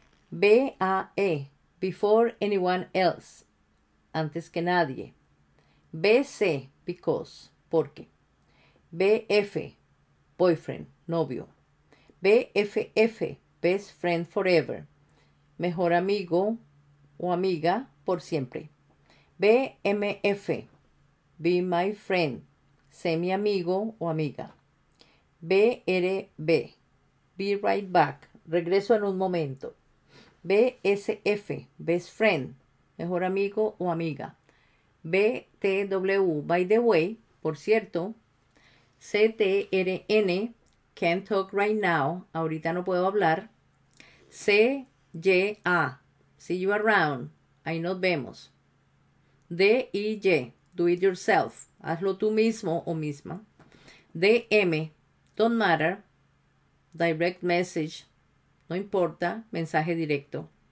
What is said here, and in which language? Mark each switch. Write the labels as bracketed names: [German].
[English] BAE, before anyone else, [Spanish] antes que nadie. [English] BC, because, [Spanish] porque. [English] BF, boyfriend, [Spanish] novio. [English] BFF, best friend forever. [Spanish] Mejor amigo o amiga por siempre. [English] BMF, be my friend. [Spanish] Sé mi amigo o amiga. [English] BRB, be right back. [Spanish] Regreso en un momento. BSF, [English] best friend. [Spanish] Mejor amigo o amiga. BTW, [English] by the way, [Spanish] por cierto. [English] CTRN, can't talk right now, [Spanish] ahorita no puedo hablar. [English] CYA, see you around, [Spanish] ahí nos vemos. DIY, [English] do it yourself, [Spanish] hazlo tú mismo o misma. [English] DM, don't matter, direct message, [Spanish] no importa, mensaje directo.